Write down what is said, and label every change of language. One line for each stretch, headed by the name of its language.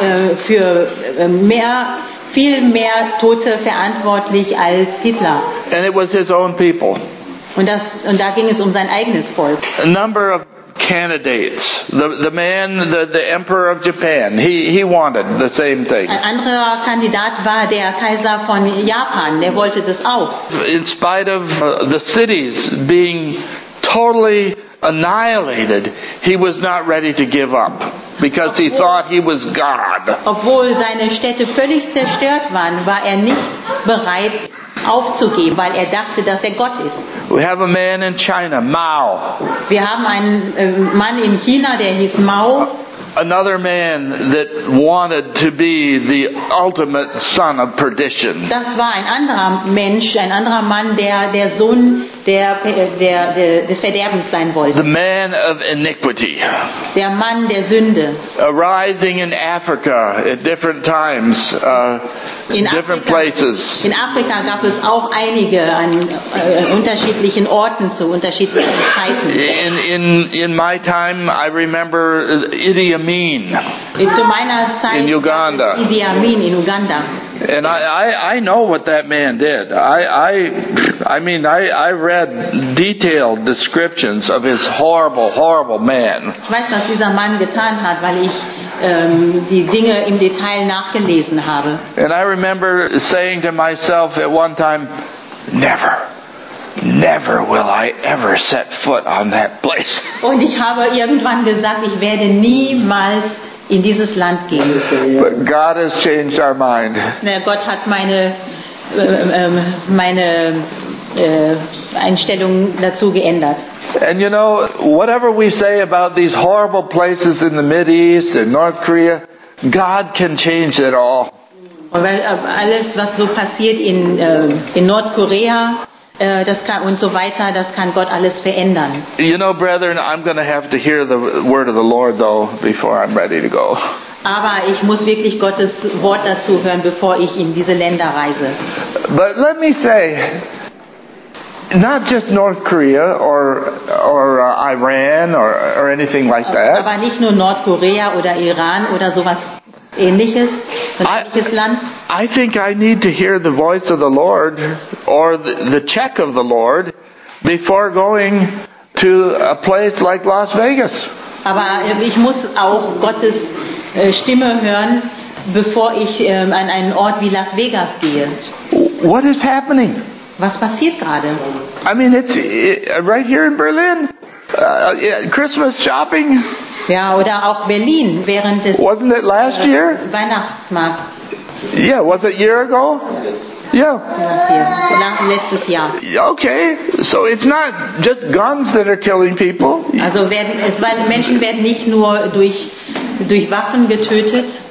German: Der war für viel mehr Tote verantwortlich als Hitler.
English: And it was his own people.
German: Und da ging es um sein eigenes Volk.
English: A number of candidates. The man, the emperor of Japan, he wanted the same thing.
German: Ein anderer Kandidat war der Kaiser von Japan. Der wollte das auch.
English: In spite of the cities being totally annihilated, he was not ready to give up because he thought he was God.
German: Obwohl seine Städte völlig zerstört waren, war er nicht bereit aufzugeben, weil er dachte, dass er Gott ist.
English: We have a man in China, Mao.
German: Wir haben einen Mann in China, der hieß Mao.
English: Another man that wanted to be the ultimate son of perdition.
German: Das war ein anderer Mensch, ein anderer Mann, der Sohn des Verderbens sein wollte.
English: The man of iniquity.
German: Der Mann der Sünde.
English: Arising in Africa at different times, in different
German: Afrika,
English: places.
German: In Afrika gab es auch einige an unterschiedlichen Orten zu unterschiedlichen Zeiten.
English: In my time, I remember Idi Amin.
German: Zu meiner Zeit
English: in Uganda.
German: Idi Amin in Uganda.
English: And I know what that man did. I read detailed descriptions of his horrible, horrible man.
German: Ich weiß, was dieser Mann getan hat, weil ich die Dinge im Detail nachgelesen habe.
English: And I remember saying to myself at one time, never. Never will I ever set foot on that place.
German: Und ich habe irgendwann gesagt, ich werde niemals in dieses Land gehen.
English: But God has changed our mind.
German: Na, Gott hat meine Einstellung dazu geändert.
English: And you know, whatever we say about these horrible places in the Middle East and North Korea, God can change it all.
German: Und weil alles, was so passiert in Nordkorea, das kann und so weiter, das kann Gott alles verändern.
English: You know, brethren, I'm going to have to hear the word of the Lord though before I'm ready to go.
German: Aber ich muss wirklich Gottes Wort dazu hören, bevor ich in diese Länder reise.
English: But let me say, not just North Korea or Iran or anything like that.
German: Aber nicht nur Nordkorea oder Iran oder sowas ähnliches, ähnliches Land.
English: I think I need to hear the voice of the Lord or the check of the Lord before going to a place like Las Vegas.
German: Aber ich muss auch Gottes Stimme hören, bevor ich an einen Ort wie Las Vegas gehe.
English: What is happening?
German: Was passiert gerade?
English: I mean, it's right here in Berlin. Christmas shopping.
German: Ja, oder auch Berlin während des
English: Wasn't it last year?
German: Weihnachtsmarkts.
English: Yeah, was it a year ago? Yeah.
German: Letztes Jahr.
English: Okay, so it's not just guns that are killing people.
German: Also Menschen werden nicht nur durch Waffen getötet.